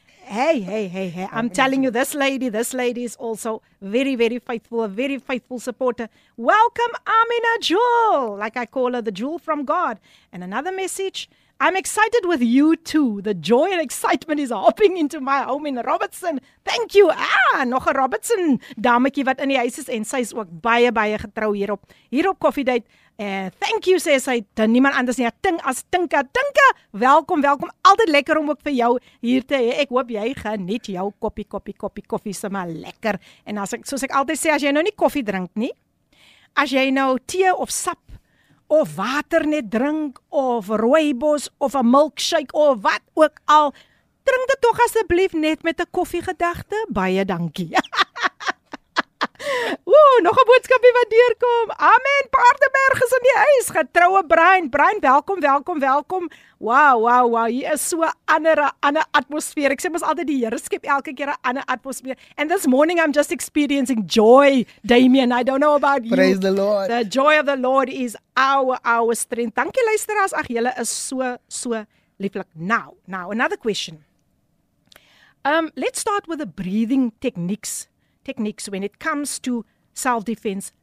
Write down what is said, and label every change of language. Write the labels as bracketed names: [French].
[English] Hey. I'm telling you, this lady is also very, very faithful, a very faithful supporter. Welcome, Amina Jewel. Like I call her, the jewel from God. And another message, I'm excited with you too. The joy and excitement is hopping into my home in Robertson. Thank you. [Afrikaans] Nog 'n Robertson dametjie wat in die huis is, en sy is ook baie, baie getrou hierop Coffee Date. [English] Thank you, [Afrikaans] sê sy, to niemand anders nie, Ting as Tinka. Tinka, welkom, altyd lekker om ook vir jou hier te hê. Ek hoop jy geniet jou koppie koffie, sê maar lekker. En soos ek altyd sê, as jy nou nie koffie drink nie, as jy nou tee of sap of water net drink, of rooibos, of 'n milkshake, of wat ook al, drink dit toch asseblief net met 'n koffiegedagte, baie dankie. Nog 'n boodskapie wat deurkom. Amen. Paardeberg is in die huis. Getroue Brein. Brein, welkom. Wow. Hier is so 'n ander atmosfeer. Ek sê mos altyd die Here skep elke keer 'n ander atmosfeer. [English] And this morning I'm just experiencing joy, Damien. I don't know about you. Praise the Lord. The joy of the Lord is our strength. [Afrikaans] Dankie luisteraars. Ag, julle is so lieflik. [English] Now, another question. Let's start with the breathing techniques when it comes to self-defense.